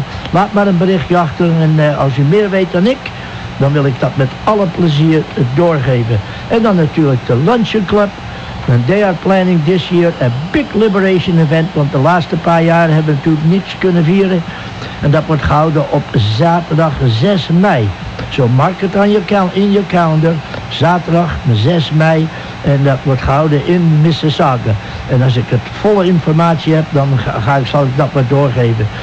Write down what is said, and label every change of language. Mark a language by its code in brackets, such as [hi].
[nl] Laat maar een berichtje achter. En als u meer weet dan ik, dan wil ik dat met alle plezier doorgeven. En dan natuurlijk de Luncheon Club. [en] And they are planning this year a big liberation event. [nl] Want de laatste paar jaar hebben we natuurlijk niets kunnen vieren. En dat wordt gehouden op zaterdag 6 mei. [en] So mark it in your calendar. [nl] Zaterdag 6 mei. En dat wordt gehouden in Mississauga. En als ik het volle informatie heb, dan zal ik dat maar doorgeven.